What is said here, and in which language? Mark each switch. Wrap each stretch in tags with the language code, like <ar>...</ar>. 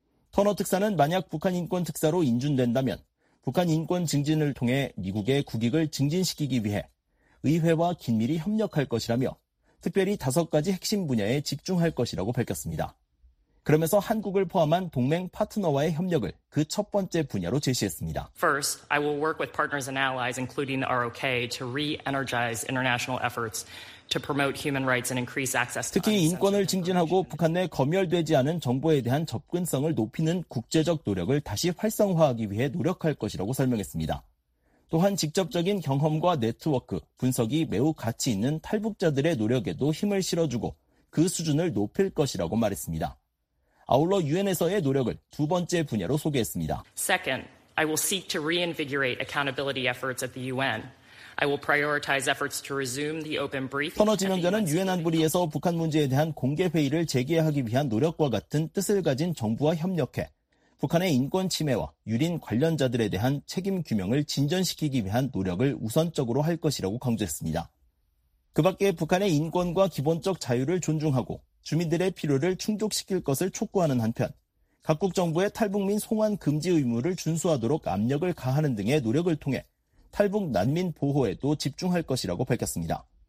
<ko>터너 특사는 만약 북한 인권특사로 인준된다면 북한 인권 증진을 통해 미국의 국익을 증진시키기 위해 의회와 긴밀히 협력할 것이라며 특별히 다섯 가지 핵심 분야에 집중할 것이라고 밝혔습니다. 그러면서 한국을 포함한 동맹 파트너와의 협력을 그 첫 번째 분야로 제시했습니다.</ko> <en>First, I will work with partners and allies, including the ROK, to re-energize international efforts to promote human rights and increase access.</en> <ko>특히 인권을 증진하고 북한 내 검열되지 않은 정보에 대한 접근성을 높이는 국제적 노력을 다시 활성화하기 위해 노력할 것이라고 설명했습니다. 또한 직접적인 경험과 네트워크, 분석이 매우 가치 있는 탈북자들의 노력에도 힘을 실어주고 그 수준을 높일 것이라고 말했습니다. 아울러 UN에서의 노력을 두 번째 분야로 소개했습니다.</ko> <en>Second, I will seek to reinvigorate accountability efforts at the UN. I will prioritize efforts to resume the open briefing.</en> <ko>터너 지명자는 UN 안보리에서 북한 문제에 대한 공개 회의를 재개하기 위한 노력과 같은 뜻을 가진 정부와 협력해 북한의 인권 침해와 유린 관련자들에 대한 책임 규명을 진전시키기 위한 노력을 우선적으로 할 것이라고 강조했습니다. 그 밖에 북한의 인권과 기본적 자유를 존중하고 주민들의 필요를 충족시킬 것을 촉구하는 한편 각국 정부의 탈북민 송환 금지 의무를 준수하도록 압력을 가하는 등의 노력을 통해 탈북 난민 보호에도 집중할 것이라고 밝혔습니다.</ko>